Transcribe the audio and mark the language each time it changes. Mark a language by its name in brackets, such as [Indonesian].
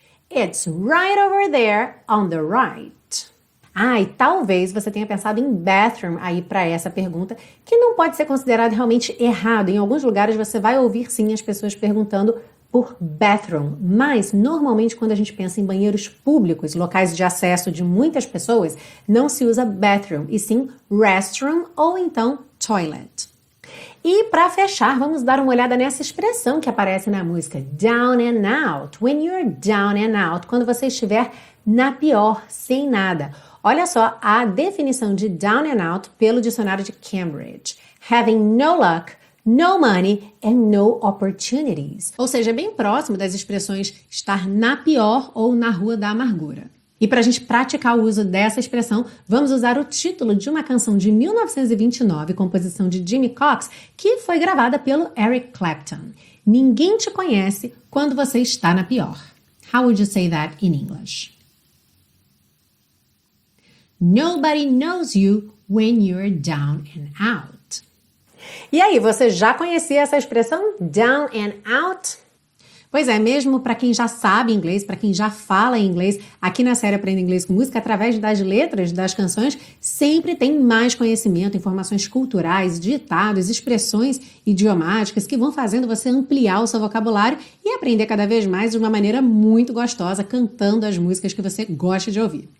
[English] It's right over there on the right. [Portuguese] Ah, e talvez você tenha pensado em bathroom aí para essa pergunta, que não pode ser considerado realmente errado. Em alguns lugares você vai ouvir sim as pessoas perguntando por bathroom, mas normalmente quando a gente pensa em banheiros públicos, locais de acesso de muitas pessoas, não se usa bathroom, e sim restroom ou então toilet. E para fechar, vamos dar uma olhada nessa expressão que aparece na música, down and out, [English] when you're down and out, [Portuguese] quando você estiver na pior, sem nada. Olha só a definição de down and out pelo dicionário de Cambridge, [English] having no luck, no money and no opportunities. [Portuguese] Ou seja, é bem próximo das expressões estar na pior ou na rua da amargura. E para a gente praticar o uso dessa expressão, vamos usar o título de uma canção de 1929, composição de Jimmy Cox, que foi gravada pelo Eric Clapton. Ninguém te conhece quando você está na pior. [English] How would you say that in English? Nobody knows you when you're down and out. [Portuguese] E aí, você já conhecia essa expressão down and out? Pois é, mesmo para quem já sabe inglês, para quem já fala inglês, aqui na série Aprenda Inglês com Música, através das letras das canções, sempre tem mais conhecimento, informações culturais, ditados, expressões idiomáticas que vão fazendo você ampliar o seu vocabulário e aprender cada vez mais de uma maneira muito gostosa, cantando as músicas que você gosta de ouvir.